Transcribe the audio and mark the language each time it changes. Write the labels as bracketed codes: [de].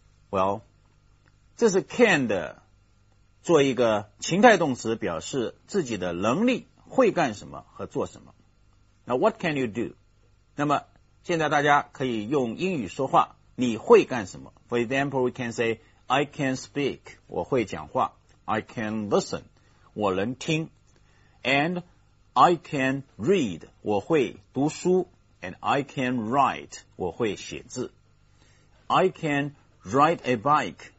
[zh] Well, 这是 can 的。做一个情态动词，表示自己的能力，会干什么和做什么。 [en] Now, what can you do? [zh] 那么现在大家可以用英语说话，你会干什么？ [en] For example, we can say, I can speak, [zh] 我会讲话。 [en] I can listen, [zh] 我能听。 [en] And I can read, [zh] 我会读书。 [en] And I can write, [zh] 我会写字。 [en] I can ride a bike,